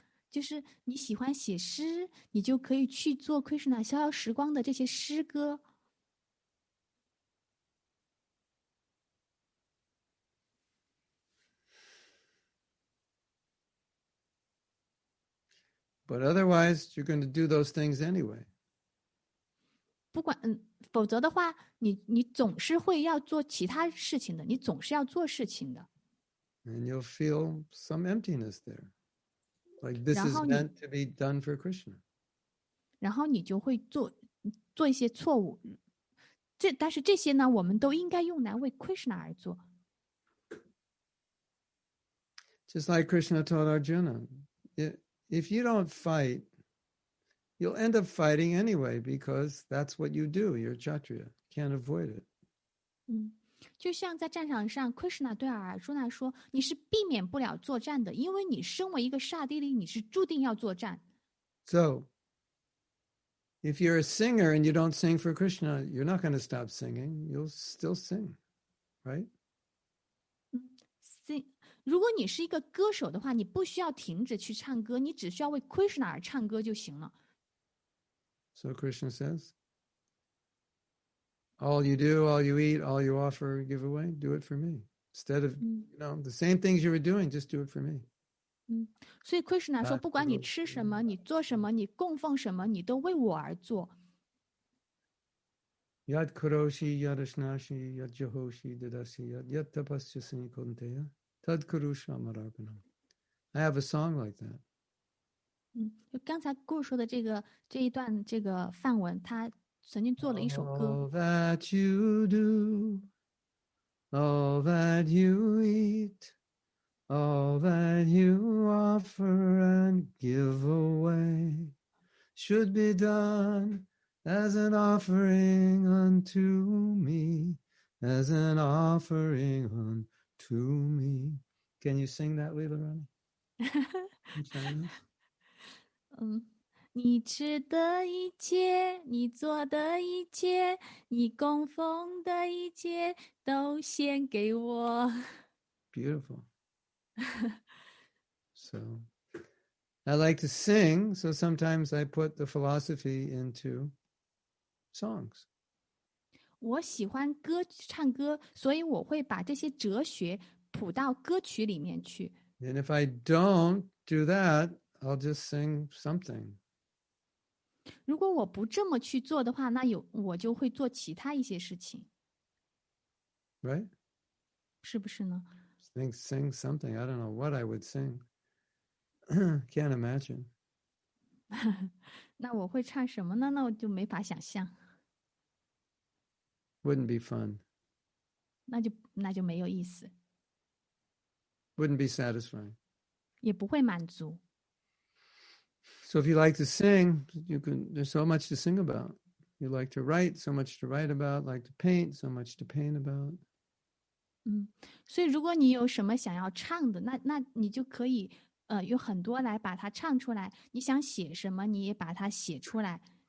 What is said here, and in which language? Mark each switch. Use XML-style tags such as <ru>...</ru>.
<zh>就是你喜欢写诗，你就可以去做 Krishna 逍遥时光的这些诗歌。</zh> <en>But otherwise, you're going to do those things anyway.</en> <zh>不管否则的话，你总是会要做其他事情的，你总是要做事情的。</zh> <en>And you'll feel some emptiness there. Like this is meant to be done for Krishna.</en> <zh>然后你就会做一些错误。但是这些呢，我们都应该用来为 Krishna 而做。</zh> <en>Just like Krishna told Arjuna, if you don't fight, you'll end up fighting anyway because that's what you do. You're Kshatriya. Can't avoid it.</en> <zh>就像在战场上 Krishna 对阿尔朱纳说，你是避免不了作战的，因为你身为一个刹帝利，你是注定要作战。</zh> <en>So if you're a singer and you don't sing for Krishna, you're not going to stop singing, you'll still sing, right? Sing.</en> <zh>如果你是一个歌手的话，你不需要停止去唱歌，你只需要为 Krishna 而唱歌就行了。</zh> <en>So Krishna says, all you do, all you eat, all you offer, give away, do it for me. Instead of, you know, the same things you were doing, just do it for me.</en> <zh>所以 Krishna 说，不管你吃什么，你做什么，你供奉什么，你都为我而做。</zh> <sa>Yad kuroshi, yad ashnashi, yad jahoshi, didasi, yad tapasyasini kunteya, tad kurusha marabhanam.</sa> <en>I have a song like that.</en> <zh>就刚才故事说的这一段这个范文，他曾经做了一首歌。</zh> <en>All that you do, all that you eat, all that you offer and give away should be done as an offering unto me, as an offering unto me. Can you sing that, Leela Rani?</en> <zh>你吃的一切，你做的一切，你供奉的一切，都献给我。</zh> <en>Beautiful. So, I like to sing, so sometimes I put the philosophy into songs.</en> <zh>我喜欢歌，唱歌，所以我会把这些哲学谱到歌曲里面去。</zh> <en>And if I don't do that, I'll just sing something.</en> <zh>如果我不这么去做的话，那有，我就会做其他一些事情。</zh> <en>Right?</en> <zh>是不是呢？</zh> <en>Sing something. I don't know what I would sing. Can't imagine.</en> <zh>那我会唱什么呢？那我就没法想象。</zh> <en>Wouldn't be fun.</en> <zh>那就没有意思。</zh> <en>Wouldn't be satisfying.</en> <zh>也不会满足。</zh> <en>So if you like to sing, you can. There's so much to sing about. You like to write, so much to write about. Like to paint, so much to paint about.</en> <zh>所以如果你有什么想要唱的，那你就可以，有很多来把它唱出来。你想写什么，你也把它写出来。</zh>